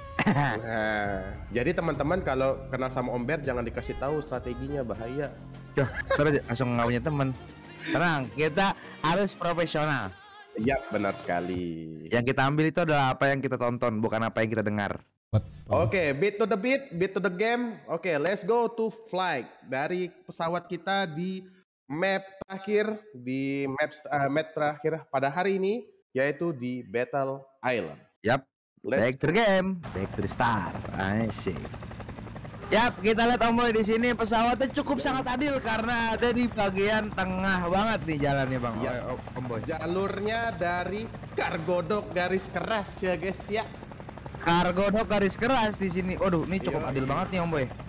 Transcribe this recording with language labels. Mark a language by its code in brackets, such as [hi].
[id] Nah, jadi teman-teman kalau kenal sama Om Ber jangan dikasih tahu strateginya, bahaya. Duh, terus langsung ngawinya teman. Tenang, kita harus profesional. Iya, benar sekali. Yang kita ambil itu adalah apa yang kita tonton, bukan apa yang kita dengar. [en] Oke, okay, beat to the beat, beat to the game. [id] Oke, okay, [en] let's go to flight [id] dari pesawat kita di map terakhir, di map terakhir pada hari ini, yaitu di Battle Island. [en] Yap, let's back to the game, back to the start. I see. [id] Yap, kita lihat Om Boy di sini pesawatnya cukup sangat adil karena ada di bagian tengah banget nih jalannya, Bang. Ya, Om Boy. Jalurnya dari kargo dok garis keras ya, guys ya. Kargo dok garis keras di sini. Waduh, ini cukup adil banget nih, Om Boy.